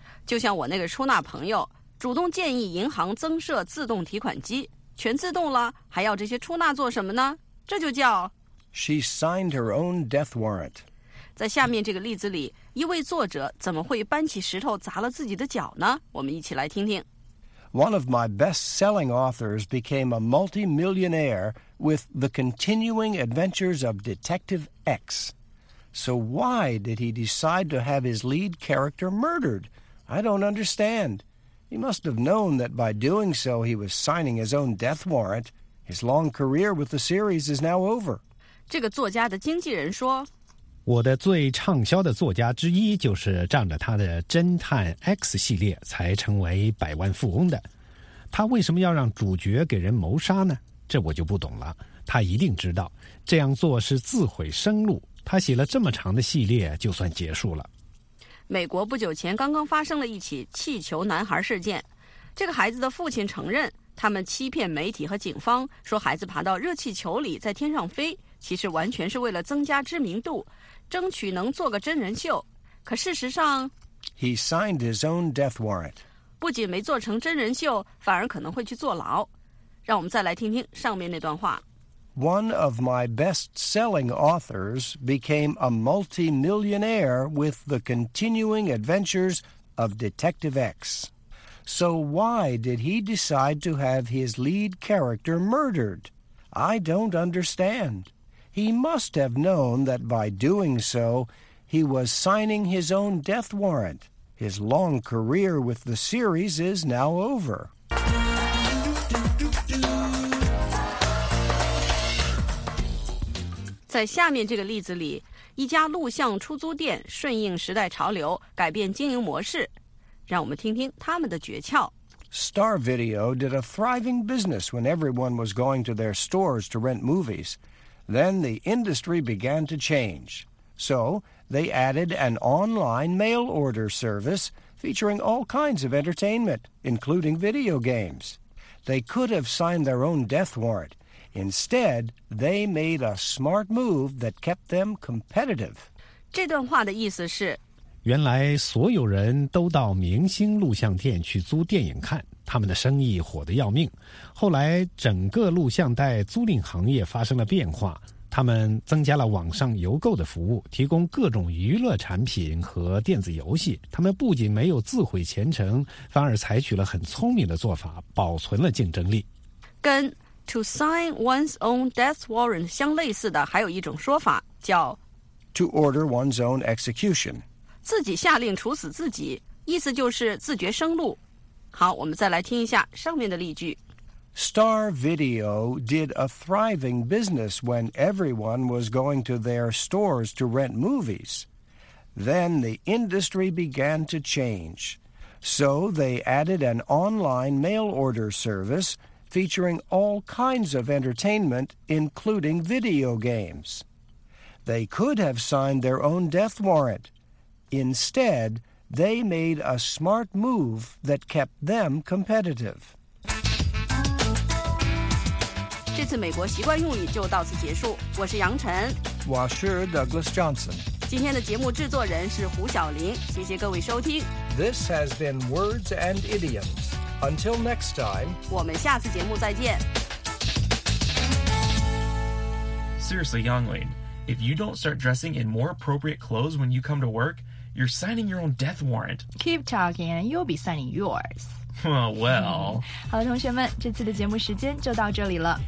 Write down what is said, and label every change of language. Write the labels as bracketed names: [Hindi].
[Chinese] 就像我那个出纳朋友主动建议银行增设自动提款机，全自动了，还要这些出纳做什么呢？这就叫 [English] She signed her own death warrant。 [Chinese] 在下面这个例子里，一位作者怎么会搬起石头砸了自己的脚呢？我们一起来听听。 [English] One of my best-selling authors became a multi-millionaire with The Continuing Adventures of Detective X. So why did he decide to have his lead character murdered? I don't understand. He must have known that by doing so he was signing his own death warrant. His long career with the series is now over. [Chinese] 这个作家的经纪人说，我的最畅销的作家之一就是仗着他的侦探 X 系列才成为百万富翁的。他为什么要让主角给人谋杀呢？这我就不懂了。他一定知道这样做是自毁生路，他写了这么长的系列就算结束了。美国不久前刚刚发生了一起气球男孩事件，这个孩子的父亲承认他们欺骗媒体和警方，说孩子爬到热气球里在天上飞，其实完全是为了增加知名度，争取能做个真人秀。可事实上 [English] He signed his own death warrant. [Chinese] 不仅没做成真人秀，反而可能会去坐牢。让我们再来听听上面那段话。 [English] One of my best-selling authors became a multi-millionaire with the continuing adventures of Detective X. So why did he decide to have his lead character murdered? I don't understand. He must have known that by doing so, he was signing his own death warrant. His long career with the series is now over. [Chinese] 在下面这个例子里，一家录像出租店顺应时代潮流，改变经营模式。让我们听听他们的诀窍。 [English] Star Video did a thriving business when everyone was going to their stores to rent movies. Then the industry began to change. So they added an online mail order service featuring all kinds of entertainment, including video games. They could have signed their own death warrant. Instead, they made a smart move that kept them competitive. [Chinese] 这段话的意思是，原来所有人都到明星录像店去租电影看，他们的生意火得要命。后来整个录像带租赁行业发生了变化，他们增加了网上邮购的服务，提供各种娱乐产品和电子游戏。他们不仅没有自毁前程，反而采取了很聪明的做法，保存了竞争力。跟 [English] to sign one's own death warrant [Chinese] 相类似的还有一种说法叫 [English] to order one's own execution， [Chinese] 自己下令处死自己，意思就是自绝生路。好，我们再来听一下上面的例句。 [English] Star Video did a thriving business when everyone was going to their stores to rent movies. Then the industry began to change. So they added an online mail order service featuring all kinds of entertainment, including video games. They could have signed their own death warrant. Instead, they made a smart move that kept them competitive. [Chinese] 这次美国习惯用语就到此结束。我是杨晨，我是 Douglas Johnson。今天的节目制作人是胡晓玲。谢谢各位收听。 [English] This has been Words and Idioms. Until next time. [Chinese] 我们下次节目再见。 [English] Seriously, Yonglin, if you don't start dressing in more appropriate clothes when you come to work,You're signing your own death warrant. Keep talking, and you'll be signing yours. Well. [Chinese] 好，同学们，这次的节目时间就到这里了。